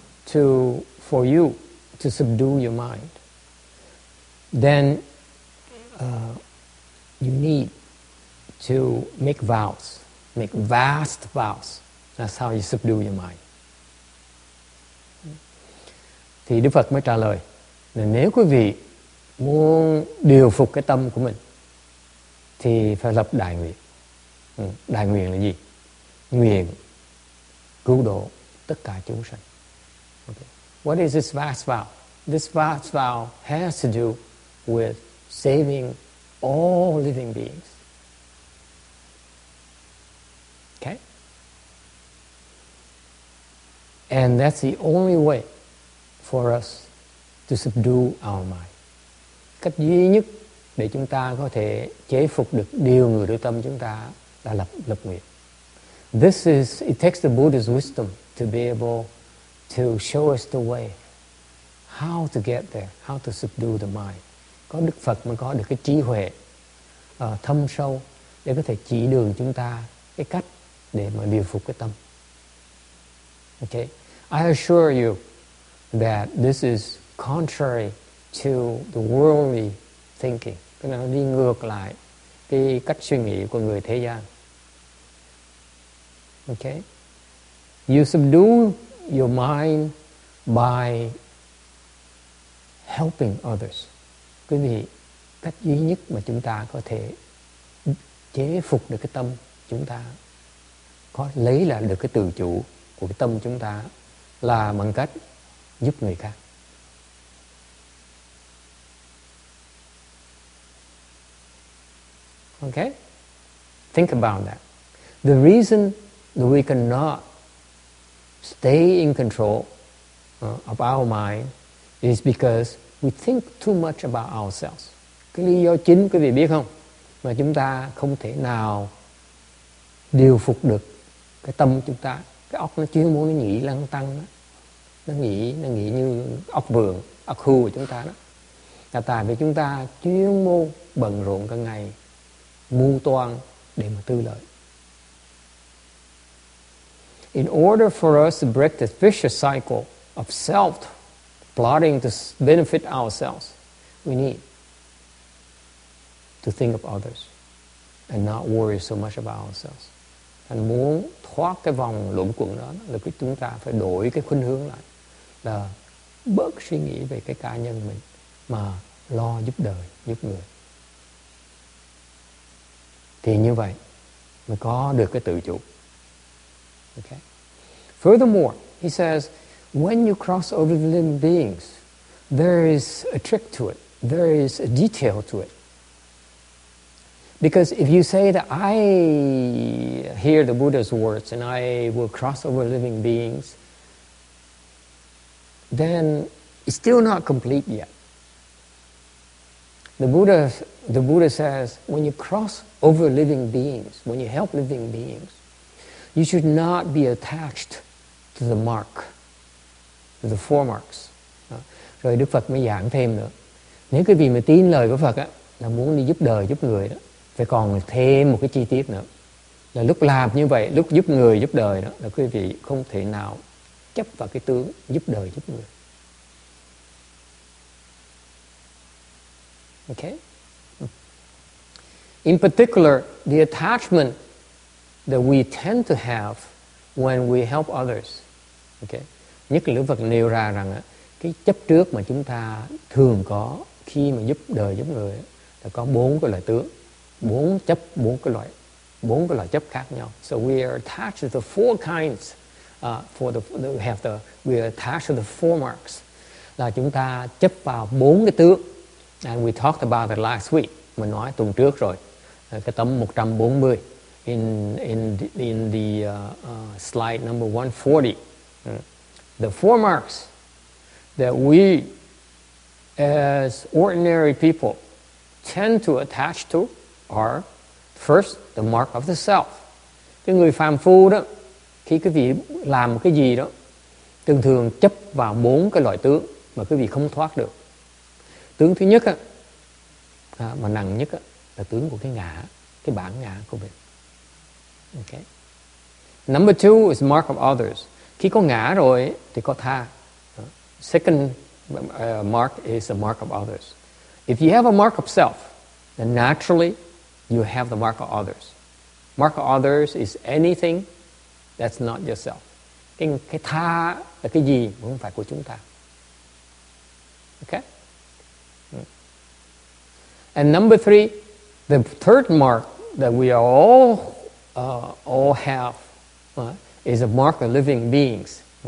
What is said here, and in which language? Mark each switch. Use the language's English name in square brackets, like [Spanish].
[English] for you to subdue your mind, then you need to make vows, make vast vows. That's how you subdue your mind. [Vietnamese] Thì Đức Phật mới trả lời là nếu quý vị muốn điều phục cái tâm của mình thì phải lập đại nguyện. Đại nguyện là gì? Nguyện cứu độ tất cả chúng sanh. [English] Okay. What is this vast vow? This vast vow has to do with saving all living beings. Okay? And that's the only way for us to subdue our mind. [Vietnamese] Cách duy nhất để chúng ta có thể chế phục được điều người đối tâm chúng ta là lập nguyện. [English] This is, it takes the Buddha's wisdom to be able to show us the way, how to get there, how to subdue the mind. [Vietnamese] Có Đức Phật mới có được cái trí huệ thâm sâu để có thể chỉ đường chúng ta cái cách để mà điều phục cái tâm. [English] Okay, I assure you that this is contrary to the worldly thinking. [Vietnamese] Cái này nó đi ngược lại cái cách suy nghĩ của người thế gian. [English] Okay, you subdue your mind by helping others. [Vietnamese] Quý vị, cách duy nhất mà chúng ta có thể chế phục được cái tâm chúng ta, có lấy là được cái tự chủ của cái tâm chúng ta là bằng cách giúp người khác. [English] Okay? Think about that. The reason that we cannot stay in control of our mind is because we think too much about ourselves. [Vietnamese] Cái lý do chính, quý vị biết không? Mà chúng ta không thể nào điều phục được cái tâm chúng ta. Cái óc nó chuyên muốn nó nghĩ lăng tăng đó. Nó nghĩ như óc vườn, óc khu của chúng ta đó. Là tại vì chúng ta chuyên môn bận rộn cả ngày, mưu toan để mà tư lợi. [English] In order for us to break the vicious cycle of self plotting to benefit ourselves, we need to think of others and not worry so much about ourselves. [Vietnamese] And muốn thoát cái vòng luẩn quẩn đó là chúng ta phải đổi cái khuynh hướng lại, là bớt suy nghĩ về cái cá nhân mình mà lo giúp đời, giúp người. Thì như vậy mới có được cái tự chủ. [English] Okay. Furthermore, he says, when you cross over the living beings, there is a trick to it. There is a detail to it. Because if you say that I hear the Buddha's words and I will cross over living beings, then it's still not complete yet. The Buddha says, when you cross over living beings, when you help living beings, you should not be attached to the mark. The four marks. [Vietnamese] Rồi Đức Phật mới giảng thêm nữa. Nếu quý vị mà tin lời của Phật á, là muốn đi giúp đời, giúp người đó, phải còn thêm một cái chi tiết nữa. Là lúc làm như vậy, lúc giúp người, giúp đời đó, là quý vị không thể nào chấp vào cái tướng giúp đời, giúp người. [English] Okay? In particular, the attachment that we tend to have when we help others. Okay? [Vietnamese] Nhất là Đức Phật nêu ra rằng cái chấp trước mà chúng ta thường có khi mà giúp đời giúp người là có bốn cái loại tướng, bốn cái loại chấp khác nhau. [English] So we are attached to the four kinds we are attached to the four marks, [Vietnamese] là chúng ta chấp vào bốn cái tướng. [English] And we talked about that last week, [Vietnamese] mình nói tuần trước rồi, cái tấm 140 [English] in the slide number 140. The four marks that we, as ordinary people, tend to attach to are, first, the mark of the self. [Vietnamese] Cái người phàm phu đó, khi quý vị làm cái gì đó, thường thường chấp vào bốn cái loại tướng mà quý vị không thoát được. Tướng thứ nhất, mà nặng nhất là tướng của cái ngã, cái bản ngã của mình. [English] Okay. Number two is mark of others. [Vietnamese] Khi có ngã rồi thì có tha, [English] second mark is the mark of others. If you have a mark of self, then naturally you have the mark of others. Mark of others is anything that's not yourself. [Vietnamese] Cái tha là cái gì mà không phải của chúng ta. [English] Okay? And number three, the third mark that we are all have is a mark of living beings.